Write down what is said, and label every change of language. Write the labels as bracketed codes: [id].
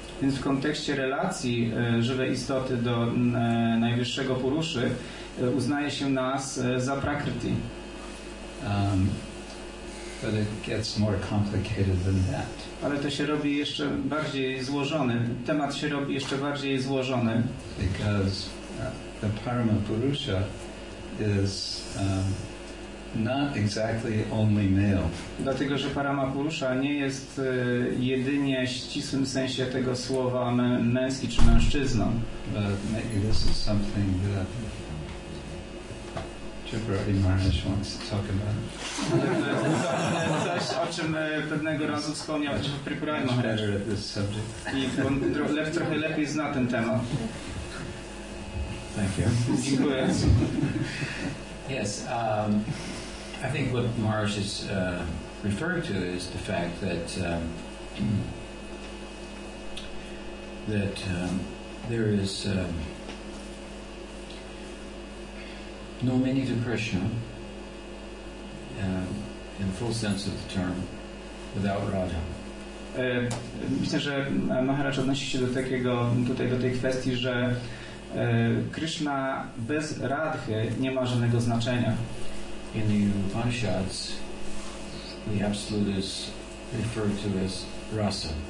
[pl] Więc w kontekście relacji żywej istoty do najwyższego Puruszy uznaje się nas za Prakriti. [en] But it gets more complicated than that. [pl] Ale to się robi jeszcze bardziej złożony. Temat się robi jeszcze bardziej złożony. [en] Because the Paramapurusha is not exactly only male. [pl] Dlatego, że Paramapurusha nie jest jedynie w ścisłym sensie tego słowa męski czy mężczyzną. [en] But maybe this is something that Chipperati Maharaj wants to talk about. [pl] Coś, o czym pewnego razu wspomniał Chipperati Maharaj. I on trochę lepiej zna ten temat. [en] Thank you. [pl] Dziękuję. [en] Yes, I think what Maharaj is referring to is the fact that there is no meaning to Krishna in the full sense of the term without Radha. [pl] Myślę, że Maharaj odnosi się do takiego tutaj do tej kwestii, że Krishna bez Radhy nie ma żadnego znaczenia. [en] In the Upanishads, the absolute is referred to as rasa.